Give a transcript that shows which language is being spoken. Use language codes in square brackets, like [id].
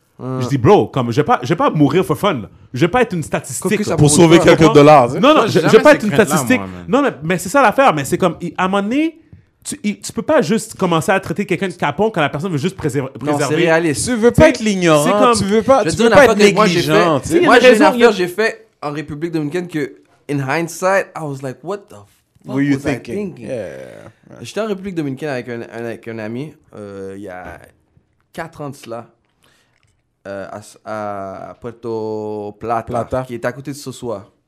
[fr] Je dis, bro, comme, je vais pas mourir [en] for fun. [fr] Là. Je vais pas être une statistique. Caucus pour sauver quelques dollars. Non, je vais pas être une statistique. Non, mais c'est ça l'affaire. Mais c'est comme, à un moment donné, tu peux pas juste commencer à traiter quelqu'un de capon quand la personne veut juste préserver. Non, c'est réaliste. Tu veux pas être l'ignorant. C'est comme... Tu veux pas être négligent. Moi, j'ai fait... j'ai fait en République Dominicaine que, [en] in hindsight, I was like, what the fuck were you was thinking? I thinking? Yeah. [fr] J'étais en République Dominicaine avec un ami il y a 4 ans de cela à Puerto Plata, qui est à côté de Sosua.